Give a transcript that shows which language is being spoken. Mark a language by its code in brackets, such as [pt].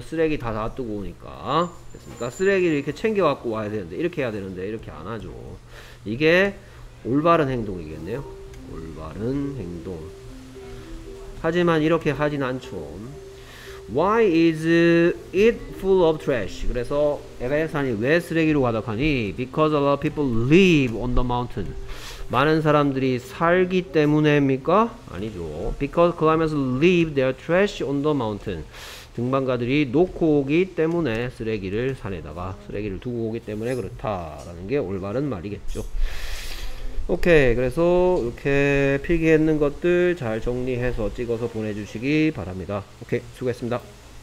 [ko] 쓰레기 다 놔두고 오니까. 됐습니까? 쓰레기를 이렇게 챙겨갖고 와야 되는데 이렇게 해야 되는데 이렇게 안 하죠. 이게 올바른 행동이겠네요. 올바른 행동. 하지만 이렇게 하진 않죠. [en] Why is it full of trash? [ko] 그래서 에베레스트산이 왜 쓰레기로 가득하니? [en] Because a lot of people live on the mountain. [ko] 많은 사람들이 살기 때문입니까? 아니죠. [en] Because climbers leave their trash on the mountain. [ko] 등반가들이 놓고 오기 때문에 쓰레기를 산에다가 쓰레기를 두고 오기 때문에 그렇다라는 게 올바른 말이겠죠. 오케이. 그래서 이렇게 필기했는 것들 잘 정리해서 찍어서 보내주시기 바랍니다. 오케이. 수고했습니다.